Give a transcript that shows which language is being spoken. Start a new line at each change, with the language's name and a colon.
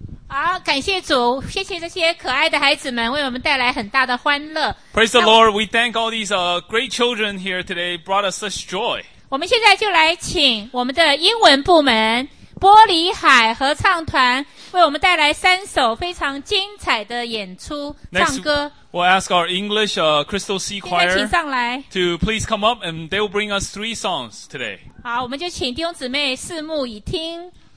Chinese: 好，感谢主，谢谢这些可爱的孩子们为我们带来很大的欢乐。
English: Praise the Lord, we thank all these great children here today brought us such joy.
Chinese: 我们现在就来请我们的英文部门玻璃海合唱团为我们带来三首非常精彩的演出唱歌。
English: We'll ask our English Crystal Sea Choir to please come up and they will bring us three songs today.
Chinese: 好，我们就请弟兄姊妹拭目以听。